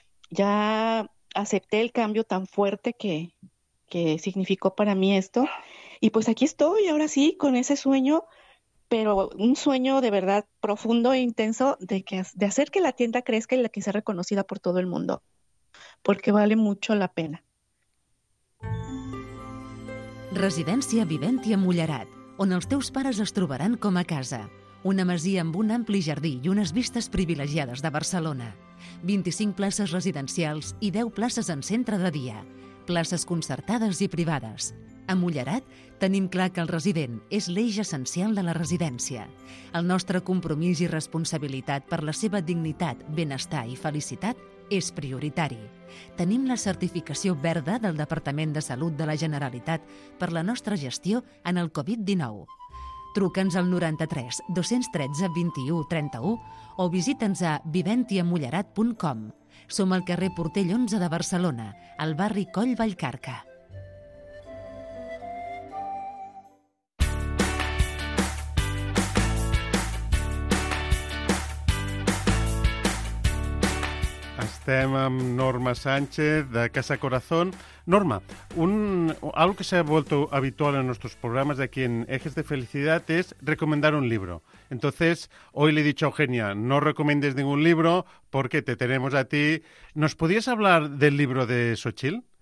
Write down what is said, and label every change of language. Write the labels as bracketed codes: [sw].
[es] Ya acepté el cambio tan fuerte que significó para mí esto. Y pues aquí estoy, ahora sí, con ese sueño, pero un sueño de verdad profundo e intenso de hacer que la tienda crezca y la que sea reconocida por todo el mundo. Porque vale mucho la pena. [ca] Residència Vivència Mollerat, on els teus pares es trobaran com a casa. Una masia amb un ampli jardí i unes vistes privilegiades de Barcelona. 25 places residencials i 10 places en centre de dia, places concertades i privades. A Mollerat tenim clar que el resident és l'eix essencial de la residència. El nostre compromís i responsabilitat per la seva dignitat, benestar i felicitat és prioritari. Tenim la certificació verda del Departament de Salut de la Generalitat per la nostra gestió en el Covid-19. Truca'ns al 93 213 2131 o visita'ns a viventiamollerat.com. Som al carrer Portell 11 de Barcelona, al barri Coll Vallcarca. Estem amb Norma Sánchez, de Casa Corazón. [es] Norma, algo que se ha vuelto habitual en nuestros programas de aquí en Ejes de Felicidad es recomendar un libro. Entonces, hoy le he dicho a Eugenia, no recomiendes ningún libro porque te tenemos a ti. ¿Nos podías hablar del libro de Xochitl?